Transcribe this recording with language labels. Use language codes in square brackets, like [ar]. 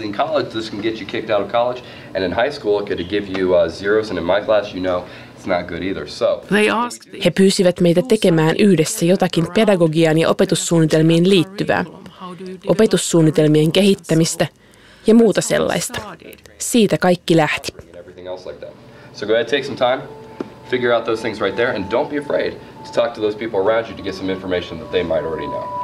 [en] In college, this can get you kicked out of college. And in high school, it could give you zeros. And in my class, you know, it's not good either. So. [fi] He pyysivät meitä tekemään yhdessä jotakin pedagogiaan ja opetussuunnitelmiin liittyvää. Opetussuunnitelmien kehittämistä ja muuta sellaista. Siitä kaikki lähti. [en] So go ahead, take some time. Figure out those things right there. And don't be afraid to talk to those people around you to get some information that they might already know.